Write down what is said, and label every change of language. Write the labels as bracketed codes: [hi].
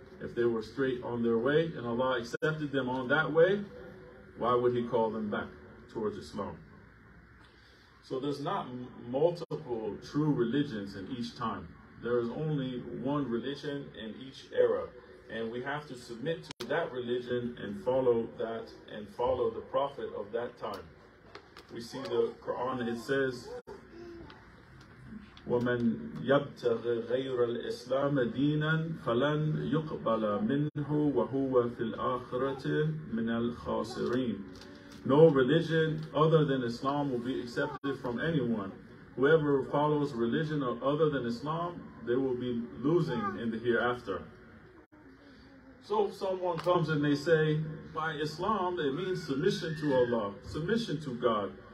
[en] If they were straight on their way and Allah accepted them on that way, why would He call them back towards Islam? So there's not multiple true religions in each time. There is only one religion in each era. And we have to submit to that religion and follow that and follow the Prophet of that time. We see the Quran, it says, [ar] وَمَنْ يَبْتَغِ غَيْرَ الْإِسْلَامَ دِينًا فَلَنْ يُقْبَلَ مِنْهُ وَهُوَ فِي الْآخِرَةِ مِنَ الْخَاسِرِينَ. [en] No religion other than Islam will be accepted from anyone. Whoever follows religion other than Islam, they will be losing in the hereafter. So if someone comes and they say, by Islam, it means submission to Allah, submission to God.